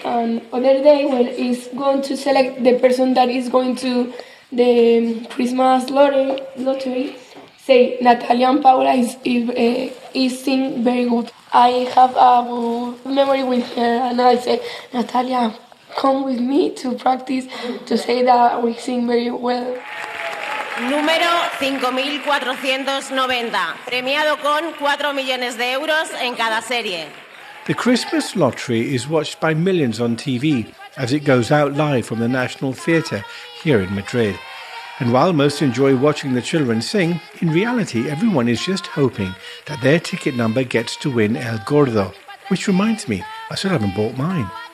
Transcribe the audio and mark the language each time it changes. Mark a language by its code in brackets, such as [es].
[en] And other day, when he's going to select the person that is going to the Christmas lottery, say, Natalia and Paula is sing very good. I have a memory with her, and I say, Natalia, come with me to practice to say that we sing very well. [es] Número 5490, premiado con 4 millones de euros en cada serie. [en] The Christmas lottery is watched by millions on TV as it goes out live from the National Theatre here in Madrid. And while most enjoy watching the children sing, in reality, everyone is just hoping that their ticket number gets to win El Gordo. Which reminds me, I still haven't bought mine.